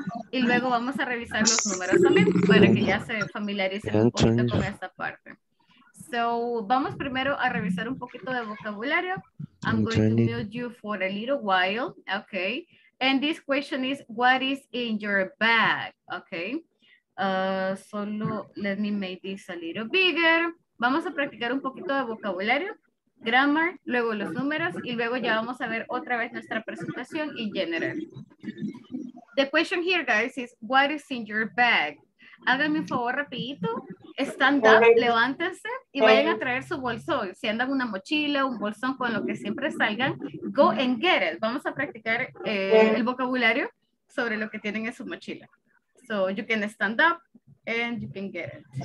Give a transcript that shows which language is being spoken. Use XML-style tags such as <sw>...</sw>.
<es>Y luego vamos a revisar los números también para que ya se familiaricen un poquito con esta parte. So, vamos primero a revisar un poquito de vocabulario.</es> <en>I'm going to mute you for a little while, okay? And this question is, what is in your bag, okay? Solo, let me make this a little bigger.</en> <es>Vamos a practicar un poquito de vocabulario, grammar, luego los números, y luego ya vamos a ver otra vez nuestra presentación en general.</es> <en>The question here, guys, is what is in your bag?</en> <es>Háganme un favor rapidito.</es> <en>Stand up,</en> <es>levántense y vayan a traer su bolso. Si andan una mochila, un bolsón, con lo que siempre salgan,</es> <en>go and get it.</en> <es>Vamos a practicar el vocabulario sobre lo que tienen en su mochila.</es> <en>So you can stand up and you can get it.</en>